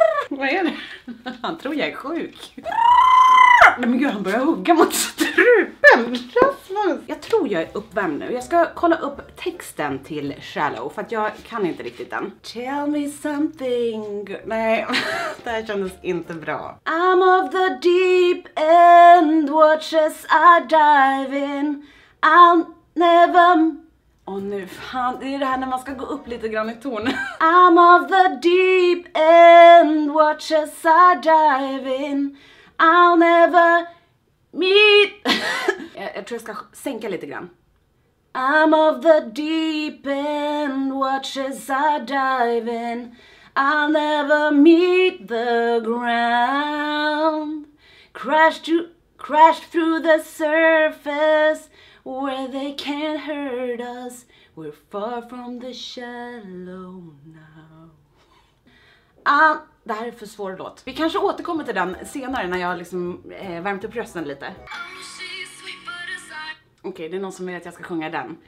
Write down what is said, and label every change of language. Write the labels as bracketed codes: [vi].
[sv] Vad är det? Han tror jag är sjuk. Nej men gud, han börjar hugga mot strupen, Rasmus! Jag tror jag är uppvärmd nu, jag ska kolla upp texten till Shallow för att jag kan inte riktigt den. [en] Tell me something. [sv] Nej, det här kändes inte bra. [en] I'm of the deep end, watch as I dive in, I'll never... [sv] Åh nu fan, det är det här när man ska gå upp lite grann i ton. [en] I'm of the deep end, watch as I dive in, I'll never meet. [sv] jag tror jag ska sänka lite grann. [en] I'm of the deep end, watch as I dive in, I'll never meet the ground. Crash through the surface where they can't hurt us, we're far from the shallow now. [sv] Det här är för svår låt. Vi kanske återkommer till den senare när jag liksom värmt upp rösten lite. Okej, det är någon som vill att jag ska sjunga den.